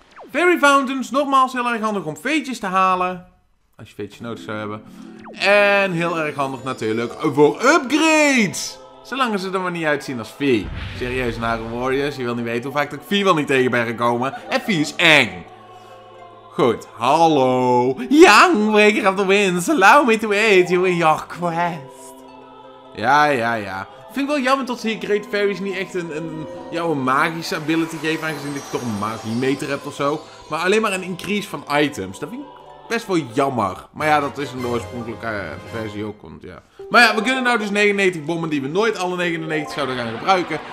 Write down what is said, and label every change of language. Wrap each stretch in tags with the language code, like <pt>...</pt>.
<nl>Fairy Fountains, nogmaals heel erg handig om feetjes te halen. Als je feetjes nodig zou hebben. En heel erg handig natuurlijk voor upgrades. Zolang ze er maar niet uitzien als Fee. Serieus, Nare Warriors. Je wil niet weten hoe vaak ik Fee wel niet tegen ben gekomen. En Fee is eng. Goed, hallo.</nl> <en>Young Waker of the Winds. Allow me to aid you in your quest.</en> <nl>Ja. Vind ik wel jammer dat ze hier Great Fairies niet echt een magische ability geven. Aangezien ik toch een magimeter heb ofzo. Maar alleen maar een increase van items. Dat vind ik best wel jammer. Maar ja, dat is in de oorspronkelijke versie ook. Want ja. Maar ja, we kunnen nou dus 99 bommen die we nooit alle 99 zouden gaan gebruiken.</nl>